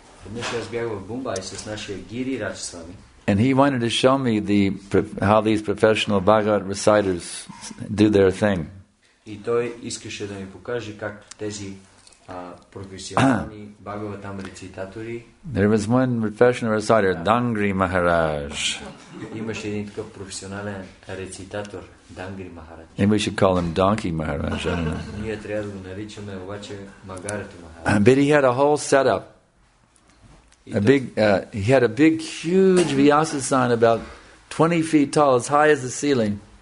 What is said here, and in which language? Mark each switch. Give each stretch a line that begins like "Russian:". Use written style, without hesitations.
Bulgarian: Днес аз бях в Мумбай с нашия Giriraj Swami.
English: And he wanted to show me how these professional Bhagavad reciters do their thing.
Bulgarian: И той искаше да ми покаже как тези професионални Бхагаватам рецитатори.
English: There was one professional reciter, Dangri Maharaj.
Bulgarian: Имаше един такъв професионален рецитатор, Dangri Maharaj.
English: And we should call him Donkey Maharaj, I don't know.
Bulgarian: Ние трябва да го наричаме обаче Магарето Махарадж.
English: But he had a whole setup. He had a big, huge Vyasa sign about 20 feet tall, as high as the ceiling.